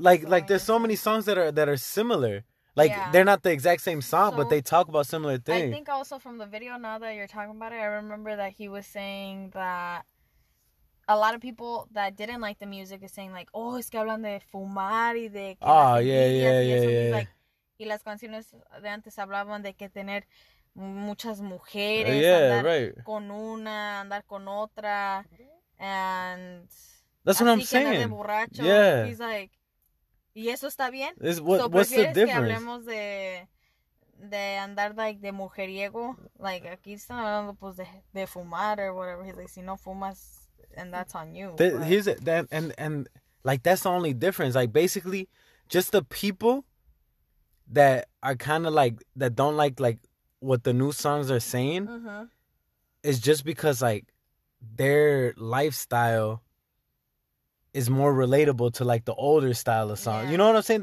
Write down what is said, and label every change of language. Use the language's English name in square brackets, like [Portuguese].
[English] Like there's so many songs that are similar. Like, yeah. They're not the exact same song, so, but they talk about similar things. I think also from the video, now that you're talking about it, I remember that he was saying that a lot of people that didn't like the music is saying, like, oh, [Spanish] es que hablan de fumar y de... [English] Oh, yeah. [Spanish] Y las canciones de antes hablaban de que tener muchas mujeres, andar [English] right. [Spanish] con una, andar con otra, and... [English] That's what I'm saying. [Spanish] Así que andar de borracho. [English] Yeah. He's like... [Spanish] Y eso está bien. [English] What's the difference? [Spanish] So, ¿prefieres que hablemos de andar, like, de mujeriego? Like, aquí están hablando, pues, de fumar [English] or whatever. He's like, [Spanish] si no fumas, [English] and that's on you. Here's that's the only difference. Like, basically, just the people that are kind of, like, that don't like, what the new songs are saying is just because, like, their lifestyle is more relatable to, like, the older style of song. Yeah. You know what I'm saying?